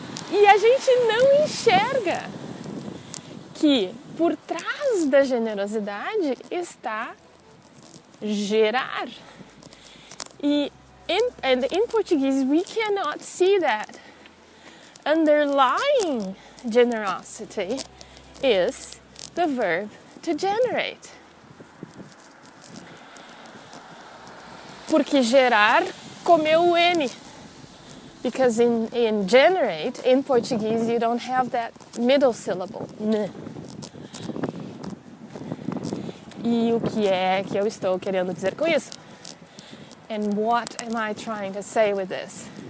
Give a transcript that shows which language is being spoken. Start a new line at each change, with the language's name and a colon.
Portuguese: E a gente não enxerga que por trás da generosidade está gerar.
English: And in Portuguese, we cannot see that underlying generosity is the verb to generate.
Portuguese: Porque gerar comeu o N.
English: Because in generate, in Portuguese, you don't have that middle syllable, N.
Portuguese: E o que é que eu estou querendo dizer com isso?
English: And what am I trying to say with this?